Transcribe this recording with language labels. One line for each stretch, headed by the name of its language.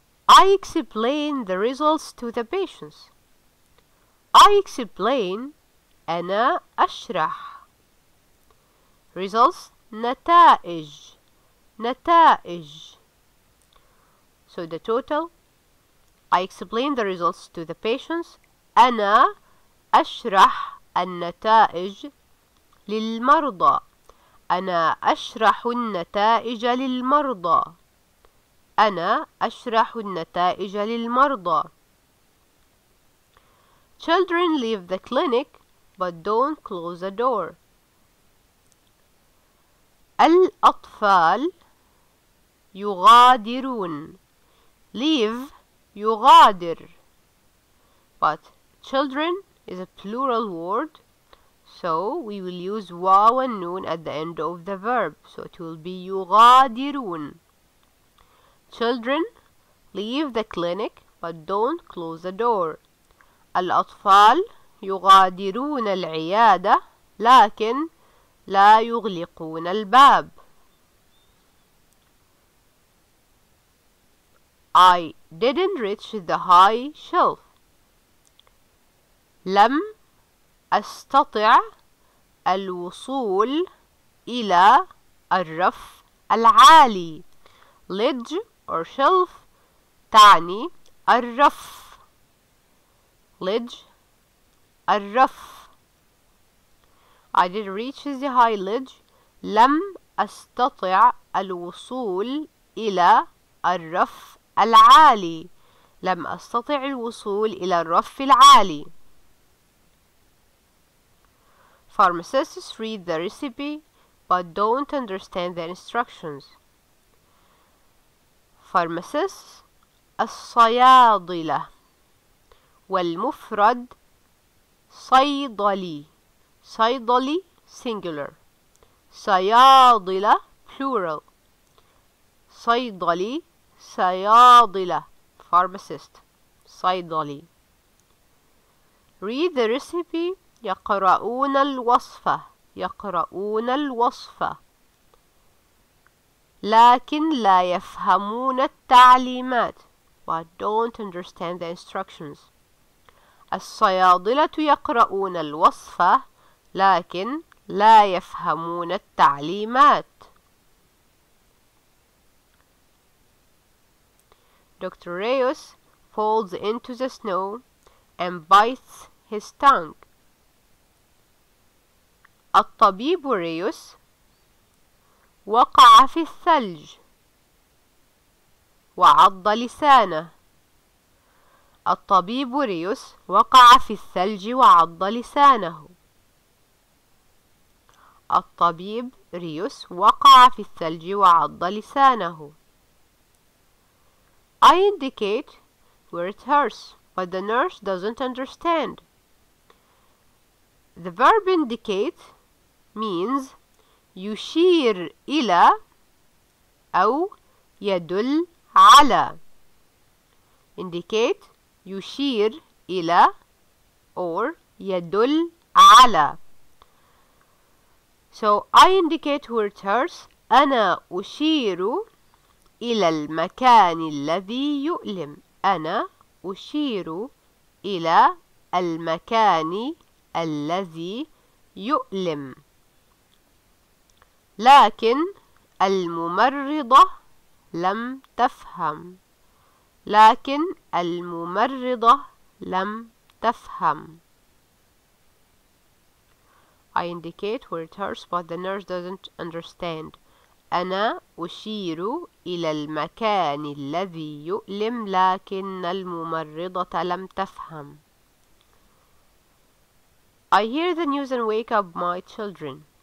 English: I explain the results to the patients. I explain.
Arabic: أنا أشرح.
English: Results,
Arabic: نتائج, نتائج.
English: So the total, I explain the results to the patients.
Arabic: أنا أشرح النتائج للمرضى. أنا أشرح النتائج للمرضى. أنا أشرح النتائج للمرضى.
English: Children leave the clinic but don't close the door.
Arabic: الأطفال يغادرون.
English: Leave,
Arabic: يغادر.
English: But children is a plural word, so we will use waw and noon at the end of the verb. So it will be
Arabic: يغادرون.
English: Children leave the clinic but don't close the door.
Arabic: الأطفال يغادرون العيادة لكن لا يغلقون الباب.
English: I didn't reach the high shelf.
Arabic: لم أستطع الوصول إلى الرف العالي.
English: Ledge or shelf
Arabic: تعني الرف.
English: Ledge,
Arabic: الرف.
English: I didn't reach the high ledge.
Arabic: لم أستطع الوصول إلى الرف العالي. لم أستطع الوصول إلى الرف العالي.
English: Pharmacists read the recipe but don't understand the instructions. Pharmacists,
Arabic: الصيادلة. والمفرد صيدلي. صيدلي
English: singular.
Arabic: صيادلة
English: plural.
Arabic: صيدلي صيادلة
English: pharmacist.
Arabic: صيدلي.
English: Read the recipe.
Arabic: يقرؤون الوصفة. يقرؤون الوصفة. لكن لا يفهمون التعليمات.
English: But don't understand the instructions.
Arabic: الصيادلة يقرؤون الوصفة لكن لا يفهمون التعليمات.
English: Dr. Reyes falls into the snow and bites his tongue.
Arabic: الطبيب ريوس وقع في الثلج وعض لسانه. الطبيب ريوس وقع في الثلج وعض لسانه. الطبيب ريوس وقع في الثلج وعض لسانه.
English: I indicate where it hurts, but the nurse doesn't understand. The verb indicate means
Arabic: يشير إلى أو يدل على.
English: Indicate
Arabic: يشير إلى or يدل على.
English: So I indicate where it hurts.
Arabic: أنا أشير إلى المكان الذي يؤلم. أنا أشير إلى المكان الذي يؤلم. لكن الممرضة لم تفهم. لكن الممرضة لم تفهم.
English: I indicate where it hurts, but the nurse doesn't understand.
Arabic: أنا أشير إلى المكان الذي يؤلم لكن الممرضة لم تفهم.
English: I hear the news and wake up my children.